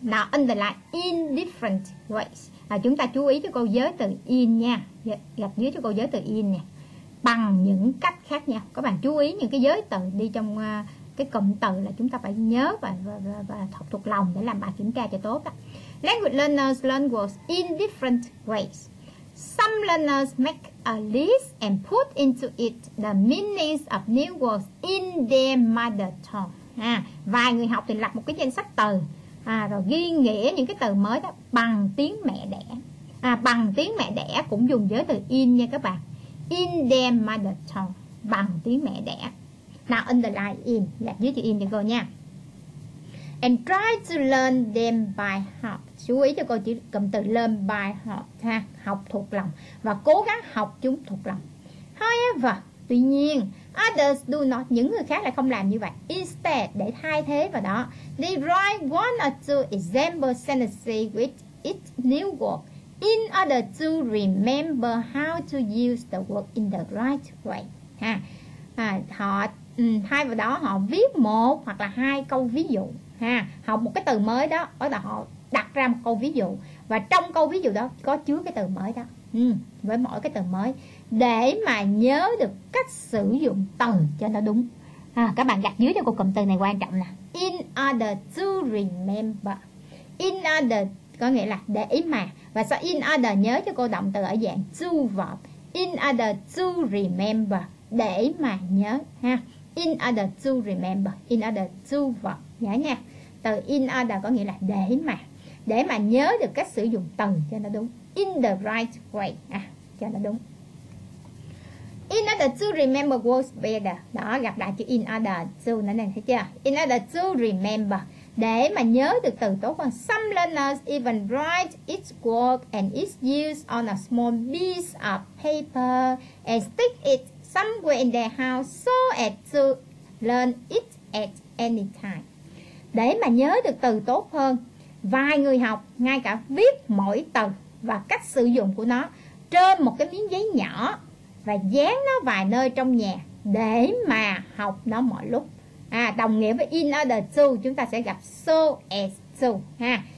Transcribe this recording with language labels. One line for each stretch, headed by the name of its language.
English: Now, underline in different ways.
Vietnamese: À, chúng ta chú ý cho cô giới từ in nha. Gạch dưới cho cô giới từ in nè. Bằng những cách khác nha. Các bạn chú ý những cái giới từ đi trong cái cụm từ là chúng ta phải nhớ và thuộc thuộc lòng để làm bài kiểm tra cho tốt.
English: Language learners learn words in different ways. Some learners make a list and put into it the meanings of new words in their mother tongue.
Vietnamese: À, vài người học thì lập một cái danh sách từ rồi ghi nghĩa những cái từ mới đó bằng tiếng mẹ đẻ. À, bằng tiếng mẹ đẻ cũng dùng giới từ in nha các bạn.
English: In their mother tongue,
Vietnamese: bằng tiếng mẹ đẻ.
English: Now underline in,
Vietnamese: gạch dưới chữ in cho cô nha.
English: And try to learn them by heart.
Vietnamese: Chú ý cho cô chữ cụm từ learn by heart ha, học thuộc lòng và cố gắng học chúng thuộc lòng. However, tuy nhiên,
English: others do not,
Vietnamese: những người khác lại không làm như vậy.
English: Instead,
Vietnamese: để thay thế vào đó,
English: they write one or two example sentences with each new word in order to remember how to use the word in the right way. Ha.
Vietnamese: À, họ thay vào đó họ viết một hoặc là hai câu ví dụ ha, học một cái từ mới đó, đó là họ đặt ra một câu ví dụ và trong câu ví dụ đó có chứa cái từ mới đó, với mỗi cái từ mới để mà nhớ được cách sử dụng từ cho nó đúng. À, các bạn gạch dưới cho cô cụm từ này quan trọng nè,
English: in order to remember.
Vietnamese: In order có nghĩa là để mà, và sau in order nhớ cho cô động từ ở dạng to verb,
English: in order to remember,
Vietnamese: để mà nhớ ha.
English: In order to remember, in order to verb,
Vietnamese: nhớ nha. Từ in order có nghĩa là để mà, để mà nhớ được cách sử dụng từ cho nó đúng.
English: In the right way, à,
Vietnamese: cho nó đúng.
English: In order to remember words better.
Vietnamese: Đó, gặp lại chữ in order to nữa nè, thấy chưa?
English: In order to remember,
Vietnamese: để mà nhớ được từ tốt hơn.
English: Some learners even write each word and its use on a small piece of paper and stick it somewhere in their house so as to learn it at any time.
Vietnamese: Để mà nhớ được từ tốt hơn, vài người học ngay cả viết mỗi từ và cách sử dụng của nó trên một cái miếng giấy nhỏ và dán nó vài nơi trong nhà để mà học nó mọi lúc. À, đồng nghĩa với in order to, chúng ta sẽ gặp so as to ha.